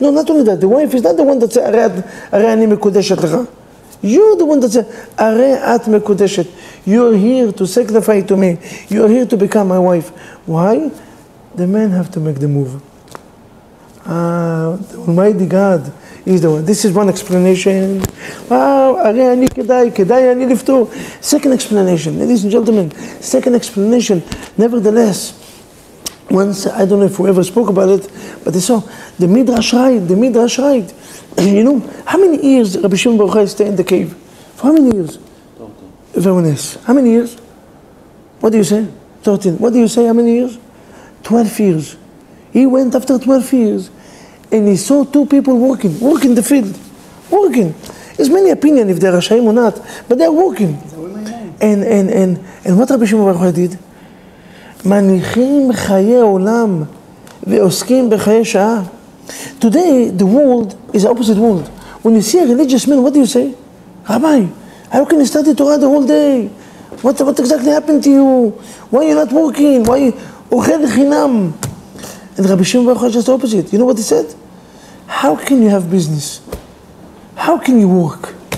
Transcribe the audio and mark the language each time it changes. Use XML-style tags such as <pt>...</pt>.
<en>No, not only that. The wife is not the one that says,</en> <he>Are ani mekudeshet lecha.</he> <en>You're the one that says,</en> <he>Are at mekudeshet.</he> <en>You're here to sacrifice to me. You're here to become my wife. Why? The men have to make the move. Almighty God is the one. This is one explanation.</en> <he>Wow, הרי אני כדאי, כדאי אני לפתור.</he> <en>Second explanation, ladies and gentlemen, second explanation, nevertheless, once, I don't know if we ever spoke about it, but they saw, the Midrash right, the Midrash right. You know, how many years Rabbi Shimon Baruch Hai stayed in the cave? For how many years? 13. How many years? What do you say? 13. What do you say, how many years? 12 years. He went after 12 years, and he saw two people working, working the field, working. There's many opinions if they're Rashaim or not, but they're working. And what Rabbi Shimon Baruch Hai did?</en> <he>מניחים חיי עולם ועוסקים בחיי שעה.</he> <en>Today, the world is the opposite world. When you see a religious man, what do you say? Rabbi, how can you study Torah the whole day? What exactly happened to you? Why are you not working? Why</en> <he>אוכל חינם?</he> <en>And Rabbi Shimon Baruch Hai just the opposite. You know what he said? How can you have business? How can you work?</en>